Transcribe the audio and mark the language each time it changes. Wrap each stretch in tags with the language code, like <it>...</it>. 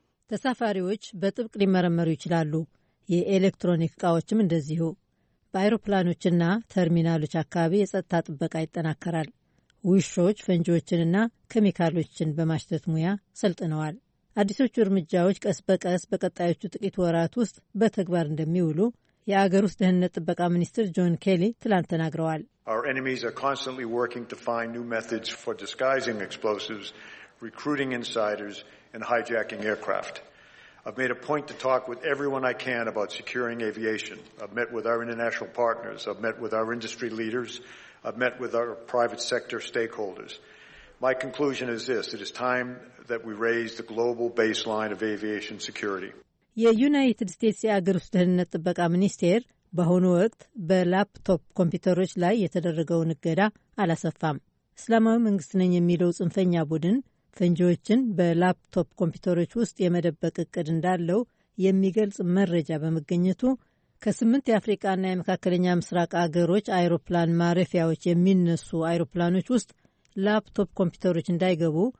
<am>ተሳፋሪዎች በጥብቅ ሊመረመሩ ይችላሉ። የኤሌክትሮኒክ እቃዎችም እንደዚሁ። በአይሮፕላኖችና ተርሚናሎች አካባቢ የጸጥታ ጥበቃ ይጠናከራል። ውሾች ፈንጂዎችንና ኬሚካሎችን በማሽተት ሙያ ሰልጥነዋል። አዲሶቹ እርምጃዎች ቀስ በቀስ በቀጣዮቹ ጥቂት ወራት ውስጥ በተግባር እንደሚውሉ የአገር ውስጥ ደህንነት ጥበቃ ሚኒስትር ጆን ኬሊ ትላንት ተናግረዋል።</am> <en>Our enemies are constantly working to find new methods for disguising explosives, recruiting insiders, and hijacking aircraft. I've made a point to talk with everyone I can about securing aviation. I've met with our international partners. I've met with our industry leaders. I've met with our private sector stakeholders. My conclusion is this. It is time that we raise the global baseline of aviation security.</en> <am>የዩናይትድ ስቴትስ የአገር ውስጥ ደህንነት ጥበቃ ሚኒስቴር በአሁኑ ወቅት በላፕቶፕ ኮምፒውተሮች ላይ የተደረገውን እገዳ አላሰፋም። እስላማዊ መንግስት ነኝ የሚለው ጽንፈኛ ቡድን ፈንጂዎችን በላፕቶፕ ኮምፒውተሮች ውስጥ የመደበቅ እቅድ እንዳለው የሚገልጽ መረጃ በመገኘቱ ከ8 የአፍሪካና የመካከለኛ ምስራቅ አገሮች አይሮፕላን ማረፊያዎች የሚነሱ አይሮፕላኖች ውስጥ ላፕቶፕ ኮምፒውተሮች እንዳይገቡ</am>